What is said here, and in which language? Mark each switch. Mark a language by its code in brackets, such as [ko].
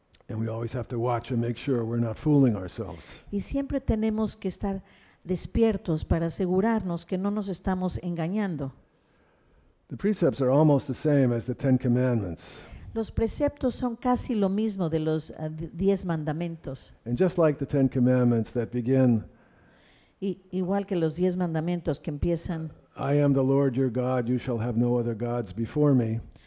[en] And we always have to watch and make sure we're not fooling ourselves. [es] Y siempre tenemos que estar despiertos para asegurarnos que no nos estamos engañando. [en] The precepts are almost the same as the Ten Commandments. [es] Los preceptos son casi lo mismo de los diez mandamientos. [en] And just like the Ten Commandments that begin, [es] igual que los diez mandamientos que empiezan, [en] I am the Lord your God, you shall have no other gods before me.